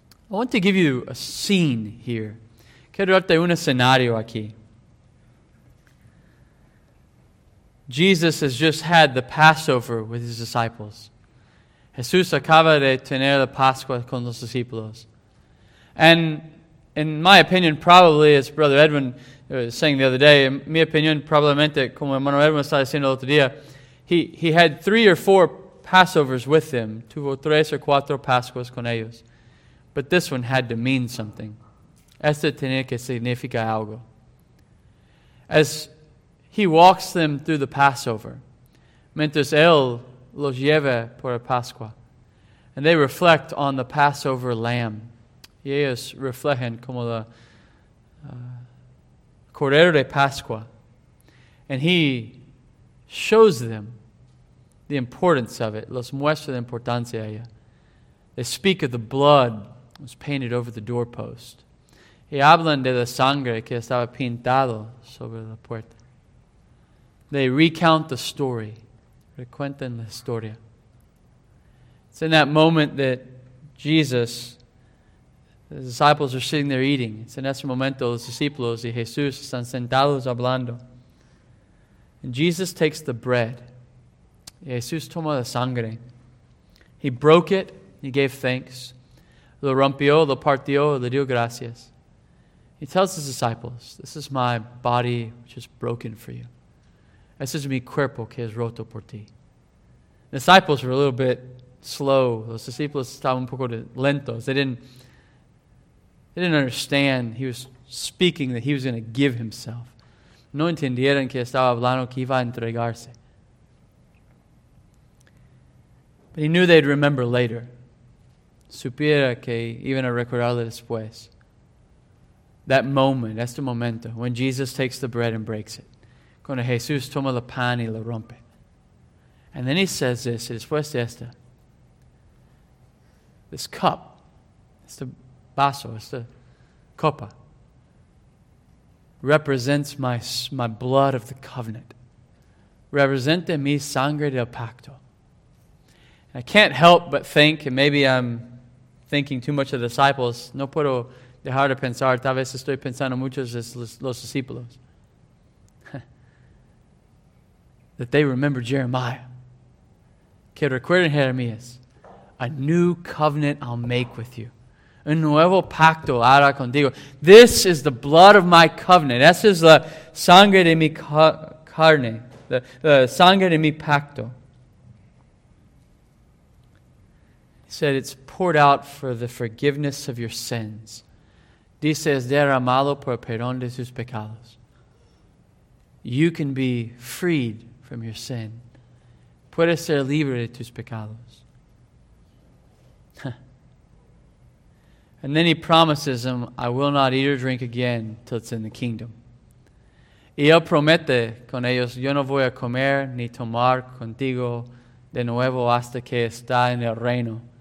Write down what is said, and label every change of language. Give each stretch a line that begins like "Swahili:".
English: I want to give you a scene here.
Spanish: Quiero darte un escenario aquí.
English: Jesus has just had the Passover with his disciples.
Spanish: Jesús acaba de tener la Pascua con los discípulos.
English: And in my opinion, probably, as Brother Edwin was saying the other day,
Spanish: en mi opinión, probablemente, como hermano Edwin estaba diciendo el otro día,
English: he had three or four Passovers with him.
Spanish: Tuvo tres o cuatro Pascuas con ellos.
English: But this one had to mean something.
Spanish: Esto tenía que significar algo.
English: As he walks them through the Passover,
Spanish: mientras él los lleva por la Pascua,
English: and they reflect on the Passover lamb,
Spanish: y ellos reflejan como la cordero de Pascua,
English: and he shows them the importance of it,
Spanish: los muestra la importancia de ella.
English: They speak of the blood that was painted over the doorpost.
Spanish: Y hablan de la sangre que estaba pintado sobre la puerta.
English: They recount the story.
Spanish: Recuentan la historia.
English: It's in that moment that Jesus, the disciples are sitting there eating. It's in
Spanish: ese momento los discípulos y Jesús están sentados hablando.
English: And Jesus takes the bread.
Spanish: Y Jesús toma la sangre.
English: He broke it. He gave thanks.
Spanish: Lo rompió, lo partió, le dio gracias.
English: He tells his disciples, this is my body which is broken for you. This is
Spanish: mi cuerpo que es roto por ti.
English: The disciples were a little bit slow.
Spanish: Los discípulos estaban un poco lentos.
English: They didn't understand. He was speaking that he was going to give himself.
Spanish: No entendieron que estaba hablando que iba a entregarse.
English: But he knew they'd remember later.
Spanish: Supiera que iban a recordarle después.
English: That moment,
Spanish: este momento,
English: when Jesus takes the bread and breaks it.
Spanish: Cuando Jesús toma el pan y lo rompe.
English: And then he says this,
Spanish: después de esto.
English: This cup,
Spanish: este vaso, esta copa,
English: represents my blood of the covenant.
Spanish: Representa mi sangre del pacto.
English: And I can't help but think, and maybe I'm thinking too much of the disciples,
Spanish: no puedo dejar de pensar, tal vez estoy pensando mucho en los discípulos.
English: That they remember Jeremiah.
Spanish: Que recuerden Jeremías.
English: A new covenant I'll make with you.
Spanish: Un nuevo pacto hará contigo.
English: This is the blood of my covenant.
Spanish: Esa es la sangre de mi carne. The sangre de mi pacto.
English: He said, it's poured out for the forgiveness of your sins.
Spanish: dice, es derramado por perdón de sus pecados.
English: You can be freed from your sin.
Spanish: Puedes ser libre de tus pecados.
English: And then he promises him, I will not eat or drink again till it's in the kingdom.
Spanish: Y él promete con ellos, yo no voy a comer ni tomar contigo de nuevo hasta que está en el reino.